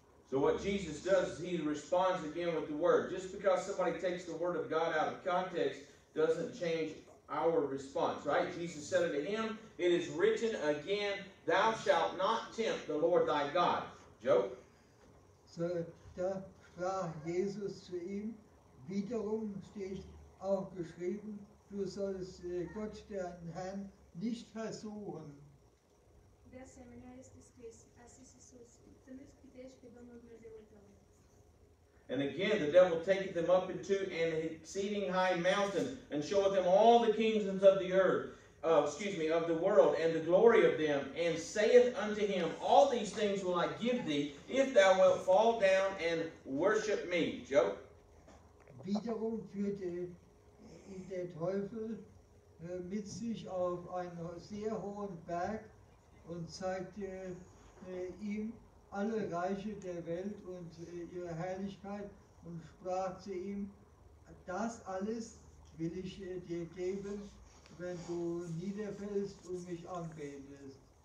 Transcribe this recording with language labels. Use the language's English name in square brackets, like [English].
[English] So what Jesus does is he responds again with the word. Just because somebody takes the word of God out of context doesn't change our response, right? Jesus said unto him, it is written again, thou shalt not tempt the Lord thy God. Joe? [German] So da sprach Jesus zu ihm, wiederum steht auch geschrieben, du sollst Gott, den Herrn, nicht versuchen. [Romanian] De asemenea, este scris, a zis Iisus, să nu spitești pe Domnul Dumnezeu tău. [English] And again, the devil taketh them up into an exceeding high mountain, and showeth them all the kingdoms of the earth, of the world, and the glory of them, and saith unto him, all these things will I give thee, if thou wilt fall down and worship me. Job. [German] Wiederum führte der Teufel mit sich auf einen sehr hohen Berg und zeigte ihm alle Reiche der Welt und ihre Herrlichkeit und sprach zu ihm, das alles will ich dir geben, wenn du niederfällst und mich anbetest.